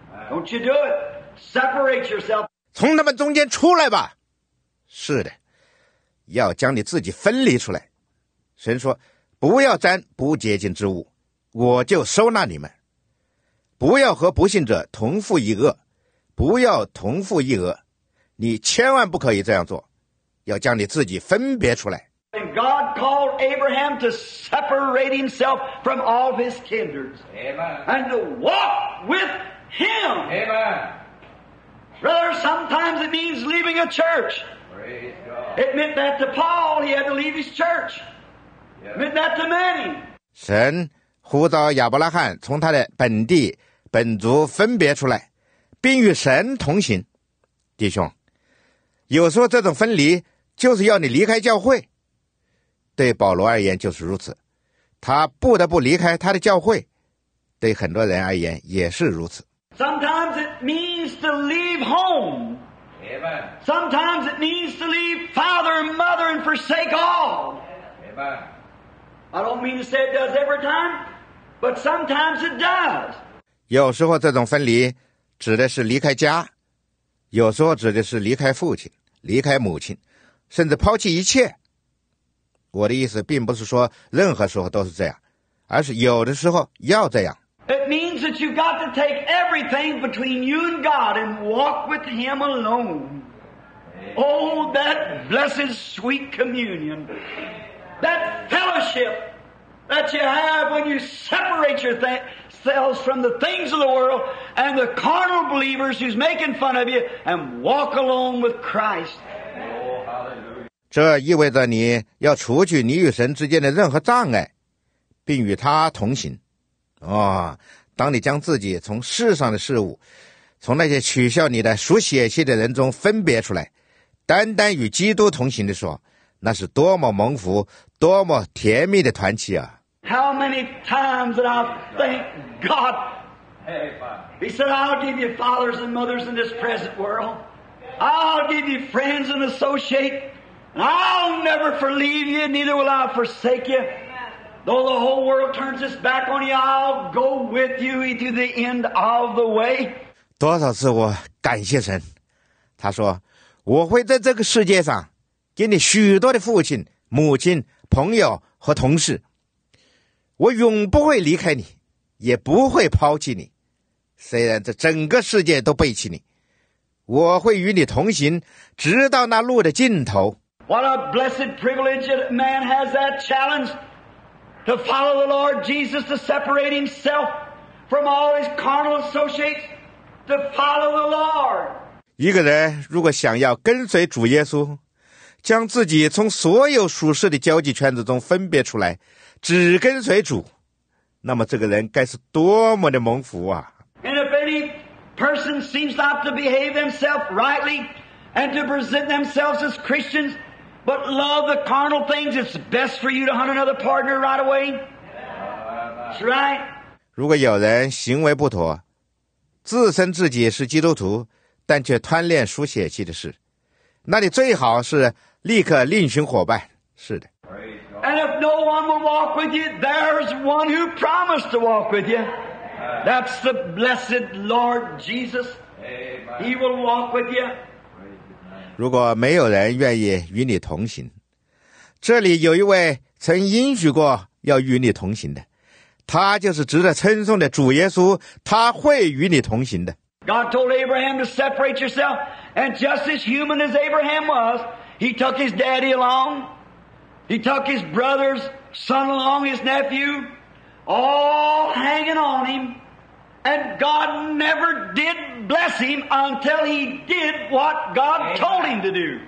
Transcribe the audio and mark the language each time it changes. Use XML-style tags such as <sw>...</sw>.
<en>Don't you do it. Separate yourself.</en> <zh>从他们中间出来吧。是的，要将你自己分离出来。神说，不要沾不洁净之物，我就收纳你们。不要和不信者同父异轭，不要同父异轭，你千万不可以这样做。要将你自己分别出来。</zh> <en>And God called Abraham to separate himself from all of his kindreds. Amen. And to walk with him. Amen. Brother, sometimes it means leaving a church. Praise God. It meant that to Paul, he had to leave his church. Yes. It meant that to many.</en> <zh>神呼召亚伯拉罕从他的本地本族分别出来，并与神同行，弟兄。有时候这种分离就是要你离开教会，对保罗而言就是如此，他不得不离开他的教会，对很多人而言也是如此。</zh> <en>Sometimes it means to leave home. Amen. Sometimes it means to leave father and mother and forsake all. Amen. I don't mean to say it does every time, but sometimes it does.</en> <zh>有时候这种分离指的是离开家，有时候指的是离开父亲，离开母亲，甚至抛弃一切。我的意思并不是说任何时候都是这样，而是有的时候要这样。</zh> <en>It means that you've got to take everything between you and God and walk with Him alone. Oh, that blessed sweet communion, that fellowship that you have when you separate yourselves from the things of the world and the carnal believers who's making fun of you and walk alone with Christ. Oh, hallelujah.</en> <zh>这意味着你要除去你与神之间的任何障碍，并与他同行。哦，当你将自己从世上的事物，从那些取笑你的属血气的人中分别出来，单单与基督同行的时候，那是多么蒙福，多么甜蜜的团契啊！</zh> <en>How many times did I thank God? He said, I'll give you fathers and mothers in this present world. I'll give you friends and associate. I'll never forleave you, neither will I forsake you. Though the whole world turns its back on you, I'll go with you to the end of the way.</en> <zh>多少次我感谢神，他说，我会在这个世界上给你许多的父亲、母亲、朋友和同事，我永不会离开你，也不会抛弃你。虽然这整个世界都背弃你，我会与你同行，直到那路的尽头。</zh> <en>What a blessed privilege that man has that challenge to follow the Lord Jesus, to separate himself from all his carnal associates, to follow the Lord.</en> <zh>一个人如果想要跟随主耶稣，将自己从所有属世的交际圈子中分别出来，只跟随主，那么这个人该是多么的蒙福啊！</zh> <en>And if any person seems not to behave themselves rightly and to present themselves as Christians, but love the carnal things, it's best for you to hunt another partner right away. That's right.</en> <zh>如果有人行为不妥，自称自己是基督徒，但却贪恋属血气的事，那你最好是立刻另寻伙伴。是的。</zh> <en>And if no one will walk with you, there's one who promised to walk with you. That's the blessed Lord Jesus. He will walk with you.</en> <zh>如果没有人愿意与你同行，这里有一位曾应许过要与你同行的，他就是值得称颂的主耶稣，他会与你同行的。</zh> <en>God told Abraham to separate yourself, and just as human as Abraham was, he took his daddy along, he took his brother's son along, his nephew, all hanging on him, and God never did bless him until he did what God told him to do.</en>